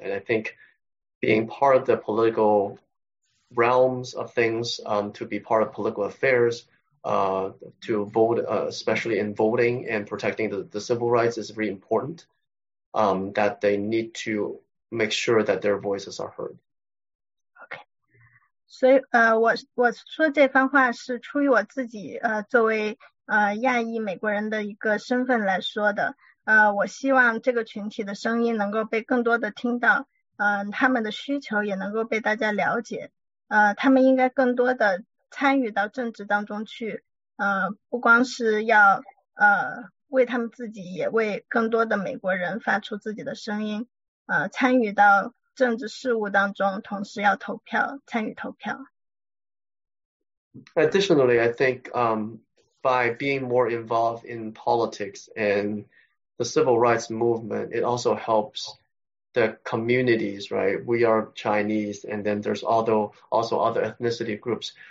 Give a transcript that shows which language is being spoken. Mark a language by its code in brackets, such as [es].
[en] And I think being part of the political realms of things, to be part of political affairs, to vote, especially in voting and protecting the civil rights, is very important, that they need to make sure that their voices are heard. Okay. [zh] 所以我说这番话是出于我自己作为亚裔美国人的一个身份来说的。我希望这个群体的声音能够被更多的听到，他们的需求也能够被大家了解。他们应该更多的参与到政治当中去，不光是要为他们自己，也为更多的美国人发出自己的声音。参与到政治事务当中，同时要投票，参与投票。 [en] Additionally, I think by being more involved in politics and the civil rights movement, it also helps the communities, right? We are Chinese, and then there's also other ethnicity groups.